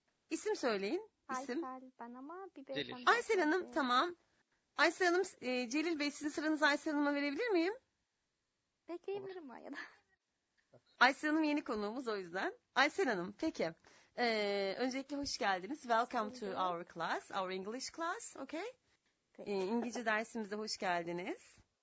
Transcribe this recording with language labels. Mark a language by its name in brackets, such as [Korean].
[Turkish] İsim söyleyin. İsim. Aysel ben ama. Aysel Hanım tamam. Aysel Hanım, Celil Bey sizin sıranızı Aysel Hanım'a verebilir miyim? Bekleyebilirim ya da. Aysel Hanım yeni konuğumuz o yüzden. Aysel Hanım peki. Öncelikle hoş geldiniz. [English] Welcome to our class, our English class, okay? [Turkish] İngilizce dersimize hoş geldiniz.